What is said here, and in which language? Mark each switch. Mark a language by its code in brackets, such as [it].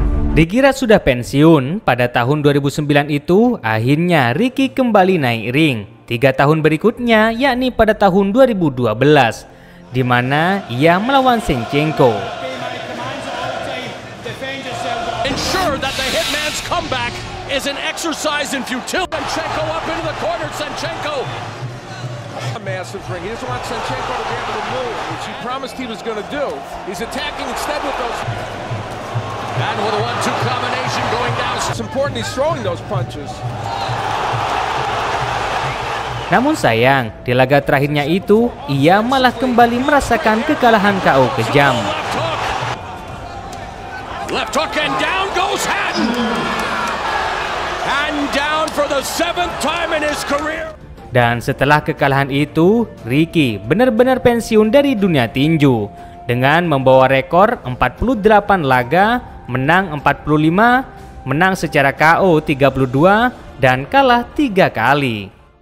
[id] Dikira sudah pensiun, pada tahun 2009 itu akhirnya Ricky kembali naik ring. 3 tahun berikutnya yakni pada tahun 2012 di mana ia melawan Shevchenko. [en] Ensure that the hitman's comeback is an exercise in futility. Shevchenko up into the corner, Shevchenko. A massive ring. He doesn't want Shevchenko to be able to move, which he promised he was going to do. He's attacking instead with those. And with a 1-2 combination going down. It's important he's throwing those punches. [id] Namun sayang, di laga terakhirnya itu, ia malah kembali merasakan kekalahan KO kejam. [en] Left hook and down goes Hatton. And down for the 7th time in his career. [id] Dan setelah kekalahan itu, Ricky benar-benar pensiun dari dunia tinju dengan membawa rekor 48 laga, menang 45, menang secara KO 32, dan kalah 3 kali.